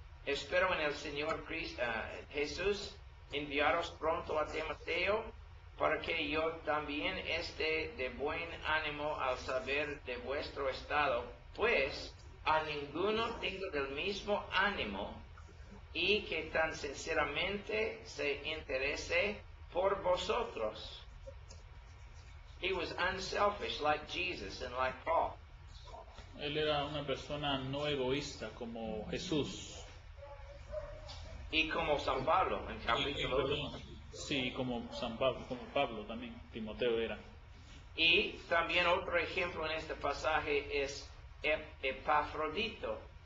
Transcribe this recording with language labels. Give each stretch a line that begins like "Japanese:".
Spanish: Espero en el Señor Cristo, Jesús, enviaros pronto a Timoteo, para que yo también esté de buen ánimo al saber de vuestro estado, pues a ninguno tengo del mismo ánimo, y que tan sinceramente se interese por vosotros.
English: He was unselfish like Jesus and like Paul.
Spanish: Él era una persona no egoísta como Jesús. Y como San Pablo, en capítulo 1. Sí, como San Pablo, como Pablo también, Timoteo era. Y también otro ejemplo en este pasaje es Epafrodito.